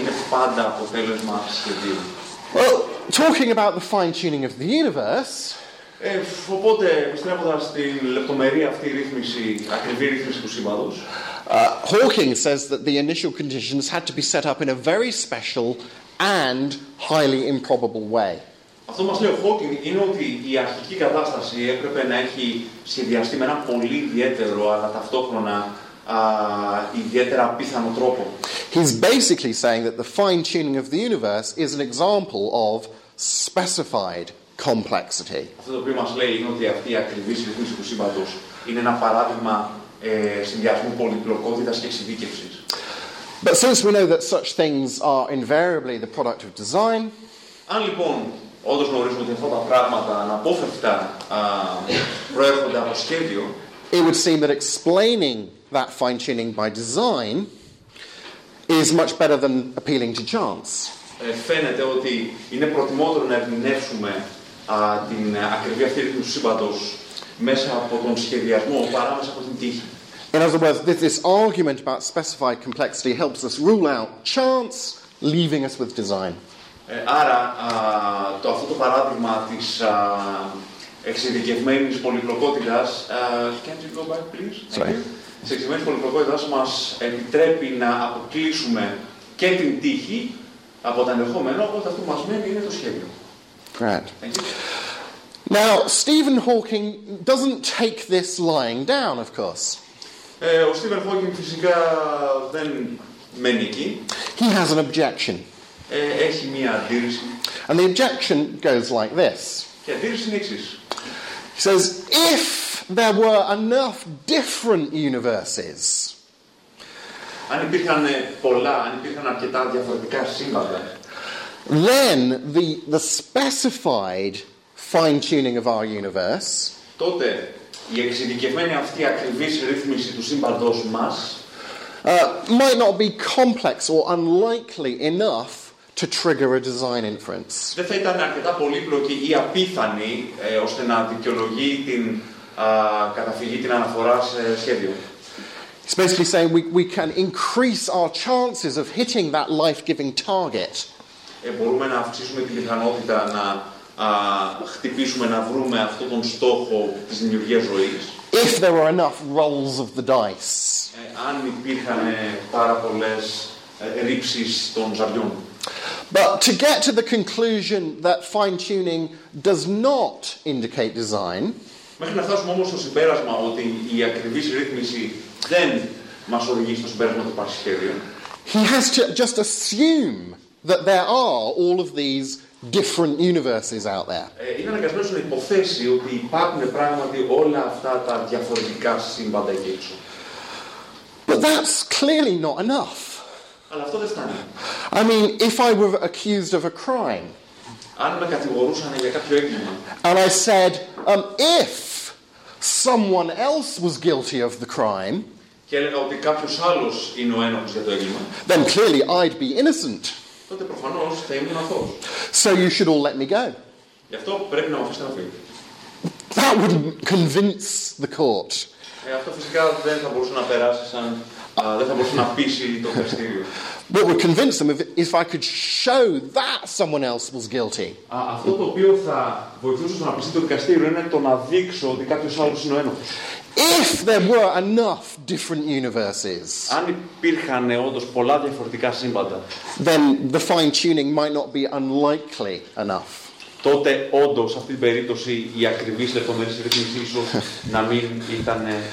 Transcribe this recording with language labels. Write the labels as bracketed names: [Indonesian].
[English] Well, talking about the fine-tuning of the universe, [Greek] οπότε, επιστρέφοντας στην λεπτομερία αυτή η ρύθμιση, ακριβή ρύθμιση του σύμπαντος. [English] Hawking says that the initial conditions had to be set up in a very special and highly improbable way. [Greek] Αυτό μας λέει ο Hawking είναι ότι η αρχική κατάσταση έπρεπε να έχει σχεδιαστεί με ένα πολύ ιδιαίτερο, αλλά ταυτόχρονα ιδιαίτερα απίθανο τρόπο. [English] He's basically saying that the fine-tuning of the universe is an example of specified complexity. [Greek] Αυτό το οποίο μας λέει είναι ότι αυτή η ακριβής ρύθμιση του σύμπαντος είναι ένα παράδειγμα συνδυασμού πολυπλοκότητας και εξειδίκευσης. [English] But since we know that such things are invariably the product of design, [Greek] αν λοιπόν όντως γνωρίζουμε ότι αυτά τα πράγματα αναπόφευκτα προέρχονται από σχέδιο, [English] it would seem that explaining that fine-tuning by design is much better than appealing to chance. [Greek] Φαίνεται ότι είναι προτιμότερο να ερμηνεύσουμε την ακριβή αυτή ρύθμιση του σύμπαντος μέσα από τον σχεδιασμό παρά μέσα από την τύχη. [English] In other words, this argument about specified complexity helps us rule out chance, leaving us with design. [Greek] Άρα, αυτό το παράδειγμα της εξειδικευμένης πολυπλοκότητας, [English] can you go back, please? Sorry. [Greek] Της εξειδικευμένης πολυπλοκότητας μας επιτρέπει να αποκλείσουμε και την τύχη από τα ενδεχόμενα, οπότε αυτό που μας μένει είναι το σχέδιο. [English] Right. Now, Stephen Hawking doesn't take this lying down, of course. [Greek] Ο Stephen Hawking φυσικά δεν μένει εκεί. [English] He has an objection. [Greek] Έχει μία αντίρρηση. [English] And the objection goes like this. [Greek] Και αντίρρηση είναι εξής. [English] He says, if there were enough different universes, [Greek] αν υπήρχαν πολλά, αν υπήρχαν αρκετά διαφορετικά σύμπαντα, [English] then the specified fine-tuning of our universe, [Greek] τότε η εξειδικευμένη αυτή ακριβής ρύθμιση του σύμπαντός μας, [English] might not be complex or unlikely enough to trigger a design inference. [Greek] Δεν θα ήταν αρκετά πολύπλοκη ή απίθανη ώστε να δικαιολογεί την καταφυγή την αναφορά σε σχέδιο. [English] It's basically saying we can increase our chances of hitting that life-giving target. [Greek] Μπορούμε να αυξήσουμε την πιθανότητα να χτυπήσουμε, να βρούμε αυτόν τον στόχο της δημιουργίας ζωής. [English] If there were enough rolls of the dice. [Greek] Αν υπήρχαν πάρα πολλές ρήψεις των ζαριών. [English] But to get to the conclusion that fine-tuning does not indicate design, [Greek] μέχρι να φτάσουμε όμως στο συμπέρασμα ότι η ακριβής ρύθμιση δεν μας οδηγεί στο συμπέρασμα του πάση σχέδιου, [English] he has to just assume that there are all of these different universes out there. [Greek] Είναι αναγκασμένος να υποθέσει ότι υπάρχουν πράγματι όλα αυτά τα διαφορετικά σύμπαντα εκεί έξω. [English] But that's clearly not enough. [Greek] Αλλά αυτό δεν φτάνει. [English] I mean, if I were accused of a crime, [Greek] αν με κατηγορούσαν για κάποιο έγκλημα, [English] and I said, if someone else was guilty of the crime, [Greek] και έλεγα ότι κάποιος άλλος είναι ο ένοχος για το έγκλημα, [English] then clearly I'd be innocent. [Greek] τότε προφανώς θα ήμουν αθώος. [English] So you should all let me go. [Greek] Γι' αυτό πρέπει να αφήσετε να φύγω. [English] That would convince the court. [Greek] Αυτό φυσικά δεν θα μπορούσε να περάσει σαν... δεν θα μπορούσε να πείσει το δικαστήριο. [English] What would convince them if I could show that someone else was guilty. [Greek] Αυτό το οποίο θα βοηθούσε να πείσει το δικαστήριο είναι το να δείξω ότι κάποιος άλλος είναι ο ένοχος. [English] If there were enough different universes, [Greek] αν υπήρχαν όντως πολλά διαφορετικά σύμπαντα, [English] then the fine tuning might not be unlikely enough. [Greek] Τότε όντως σε αυτή την περίπτωση η ακριβής λεπτομέρειες ρύθμιση ίσως να μην ήταν